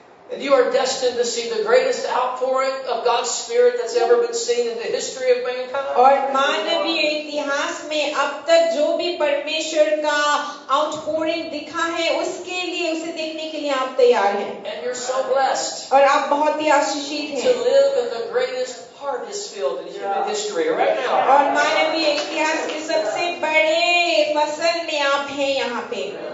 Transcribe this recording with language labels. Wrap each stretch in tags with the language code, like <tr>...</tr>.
<en>And you are destined to see the greatest outpouring of God's Spirit that's ever been seen in the history of mankind.</en> <hi>और मानवीय इतिहास में अब तक जो भी परमेश्वर का outpouring दिखा है उसके लिए उसे देखने के लिए आप तैयार हैं.</hi> <en>And you're so blessed.</en> <hi>और आप बहुत ही आशीषित हैं.</hi> <en>To live in the greatest harvest field in human history right now.</en> <hi>और मानवीय इतिहास के सबसे बड़े फसल में आप हैं यहाँ पे.</hi>